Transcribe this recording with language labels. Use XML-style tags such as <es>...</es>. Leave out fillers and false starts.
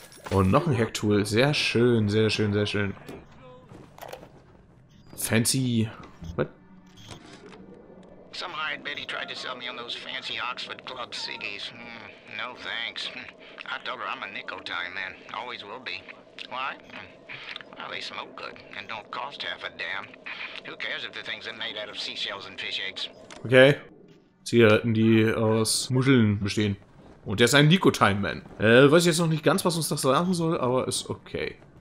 <de>Und noch ein Hacktool. Sehr schön, sehr schön, sehr schön.</de> <en>Fancy. What? Some hired Betty tried to sell me on those fancy Oxford Club ciggies. No thanks. I told her I'm a nickel time man. Always will be. Why? Well, they smoke good and don't cost half a damn. Who cares if the things are made out of seashells and fish eggs? Okay.</en> <de>Zigaretten, die aus Muscheln bestehen. Und der ist ein Nico-Time-Man. Weiß ich jetzt noch nicht ganz, was uns das sagen soll, aber ist okay.</de>